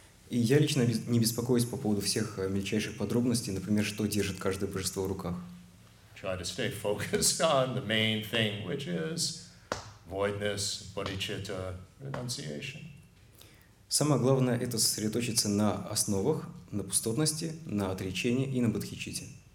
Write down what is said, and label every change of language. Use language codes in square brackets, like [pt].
[ru] И я лично не беспокоюсь по поводу всех мельчайших подробностей, например, что держит каждое божество в руках. [en] Try to stay focused on the main thing, which is voidness, bodhicitta, renunciation. [ru] Самое главное – это сосредоточиться на основах, на пустотности, на отречении и на бодхичитте.